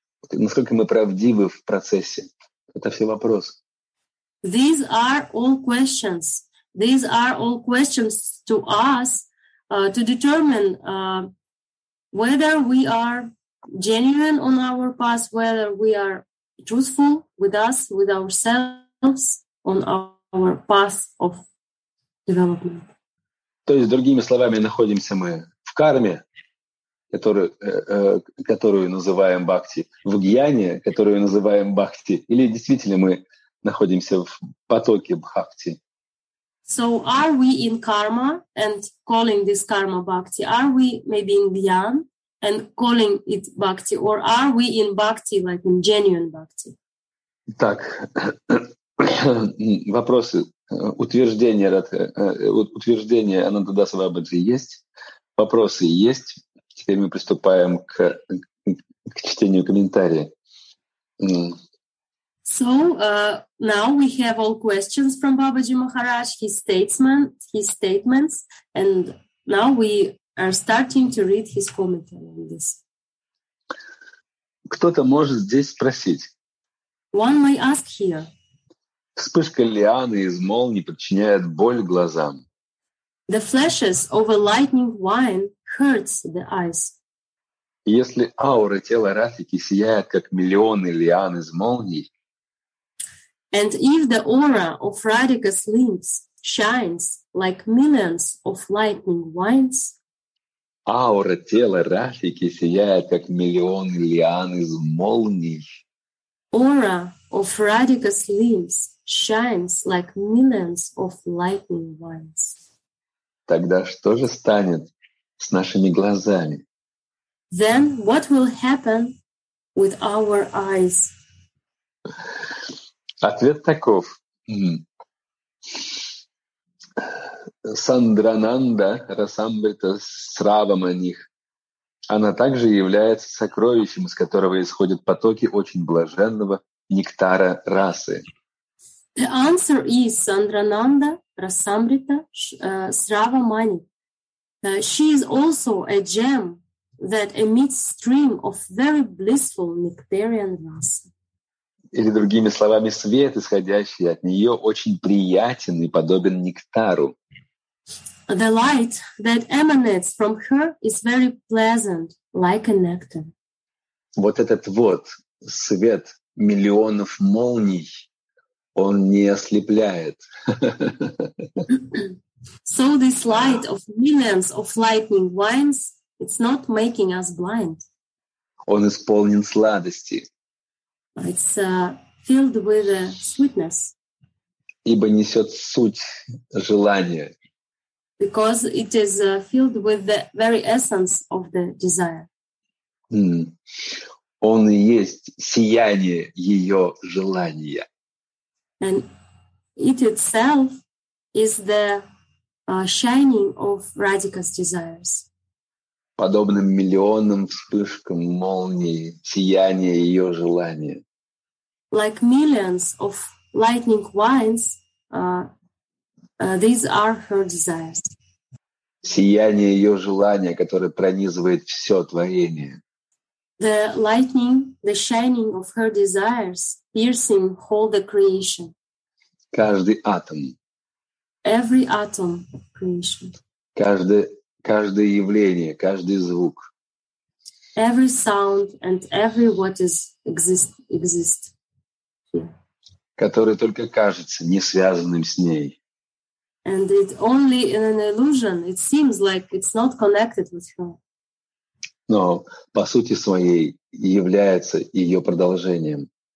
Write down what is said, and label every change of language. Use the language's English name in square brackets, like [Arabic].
[Russian] Насколько мы правдивы в процессе. Это все вопросы. [English] These are all questions. These are all questions to us to determine whether we are genuine on our path, whether we are truthful with us, with ourselves, on our path of development. [Russian] То есть, другими словами, находимся мы в карме, которую называем бхакти, в гьяне, которую называем бхакти, или действительно мы находимся в потоке бхакти. [English] So are we in karma and calling this karma bhakti? Are we maybe in dhyan and calling it bhakti? Or are we in bhakti, like in genuine bhakti? [Russian] Так, вопросы, утверждение Анандадаса Бабаджи есть, вопросы есть. Теперь мы приступаем к чтению комментария. [English] So now we have all questions from Babaji Maharaj, his statements, and now we are starting to read his commentary on this. [Russian] Кто-то может здесь спросить. [English] One may ask here. [Russian] Вспышка лианы из молнии причиняет боль глазам. [English] The flashes of a lightning wine hurts the eyes. [Russian] Если аура тела Рафики сияет, как миллионы лиан из молний, [English] and if the aura of Radhika's limbs shines like millions of lightning wines, [Russian] аура тела Радхики сияет, как миллионы лиан из молний. [English] Aura of Radhika's limbs shines like millions of lightning wines. [Russian] Тогда что же станет с нашими глазами? [English] Then what will happen with our eyes? [Russian] Ответ таков. [Sanskrit] Сандрананда расамбрита сравамани [Russian] Она также является сокровищем, из которого исходят потоки очень блаженного нектара расы. [English] The answer is Sandrananda Rasamrita Srava Mani. She is also a gem that emits stream of very blissful nectarian rasa. [Russian] Или другими словами, свет, исходящий от нее, очень приятен и подобен нектару. [English] The light that emanates from her is very pleasant, like a nectar. [Russian] Вот этот вот свет миллионов молний, он не ослепляет. [English] So this light of millions of lightning winds, it's not making us blind. [Russian] Он исполнен сладости. [English] It's filled with a sweetness. [Russian] Ибо несет суть желания. [English] Because it is filled with the very essence of the desire. Mm. [Russian] Он и есть сияние ее желания. [English] And it itself is the shining of Radhika's desires. [Russian] Подобным миллионам вспышкам молнии сияние ее желания. [English] Like millions of lightning winds, these are her desires. [Russian] Сияние ее желания, которое пронизывает все творение. [English] The lightning, the shining of her desires, piercing whole the creation. [Russian] Каждый атом. [English] Every atom of creation. [Russian] Каждое явление, каждый звук. [English] Every sound and every what is exist. [Russian] Который только кажется не связанным с ней. [English] And it only in an illusion, it seems like it's not connected with her. [Russian] Но по сути своей является ее продолжением.